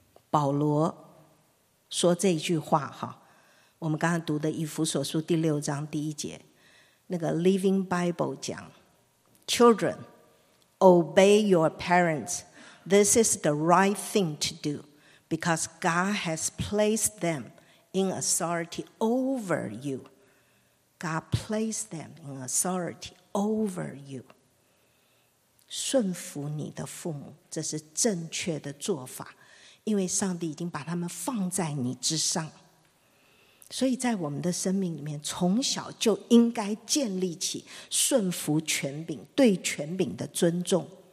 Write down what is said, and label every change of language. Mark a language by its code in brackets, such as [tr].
[zh] 保罗说这句话，我们刚才读的以弗所书第六章第一节，那个 Living Bible 讲 [en] Children, obey your parents. This is the right thing to do, because God has placed them in authority over you. God placed them in authority over you. [zh] 顺服你的父母，这是正确的做法，因为上帝已经把他们放在你之上。所以在我们的生命里面，从小就应该建立起顺服权柄，对权柄的尊重。